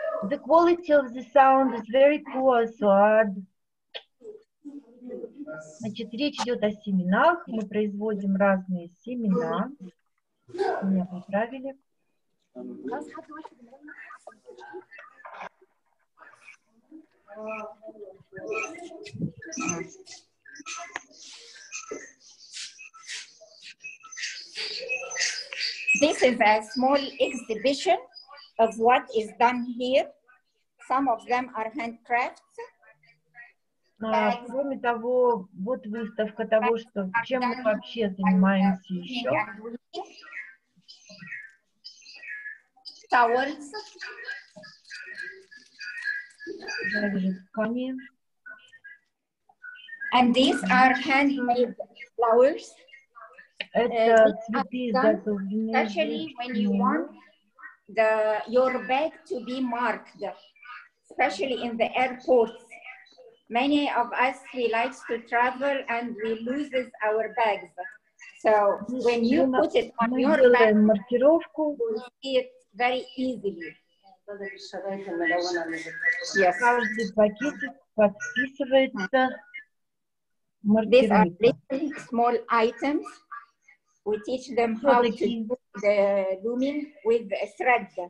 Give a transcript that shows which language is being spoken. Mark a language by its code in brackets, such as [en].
[en] The quality of the sound is very poor, so I'd... [ru] Значит, речь идет о семенах. Мы производим разные семена. Меня поправили. [en] This is a small exhibition of what is done here. Some of them are handcrafts. [ru] Кроме того, вот выставка того, что чем мы вообще занимаемся еще. [en] Towels. [ru] Также ткани. [en] And these are handmade flowers. [ru] Это цветы, изготовленные. [en] Especially when you want the your bag to be marked, especially in the airports. Many of us, we like to travel and we lose our bags. So when you put it on your bag, you see it very easily. Yes. [ru] Каждый пакетик подписывается маркировкой. [en] These are little small items. We teach them how to do the looming with a thread.